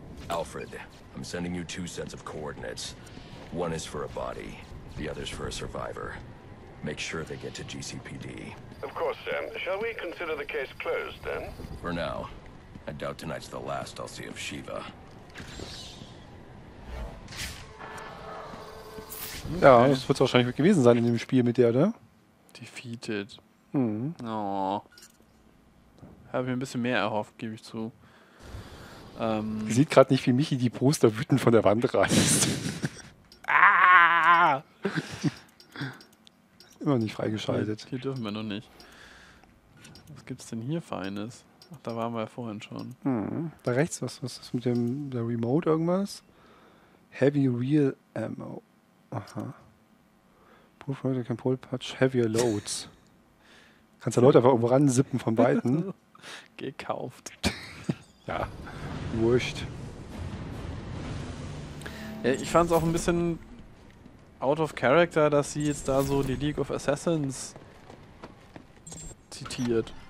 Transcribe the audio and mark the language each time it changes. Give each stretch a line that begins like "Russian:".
English: Alfred, I'm sending you two sets of coordinates. One is for a body, the other's for a survivor. Make sure they get to GCPD. Of course, Sam. Shall we consider the case closed, then? For now. I doubt tonight's the last I'll see of Shiva.
German: Ja, das wird es wahrscheinlich gewesen sein in dem Spiel mit der, oder?
English: Defeated. Mhm. Oh.
German: Habe mir ein bisschen mehr erhofft, gebe ich zu. Sieht gerade nicht, wie Michi die Poster wütend von der Wand reißt. Immer nicht freigeschaltet. Hier dürfen wir noch nicht. Was gibt's denn hier Feines? Ach, da waren wir ja vorhin schon. Mhm. Da rechts, was ist das mit dem der Remote irgendwas?
English: Heavy Real Ammo. Aha. Proof Reader can pull patch heavier loads.
German: Kannst du Leute einfach irgendwo ransippen von beiden? Gekauft. Ja. Wurscht. Ja, ich fand's auch ein bisschen
English: out of character,
German: dass sie jetzt da so die League of Assassins zitiert.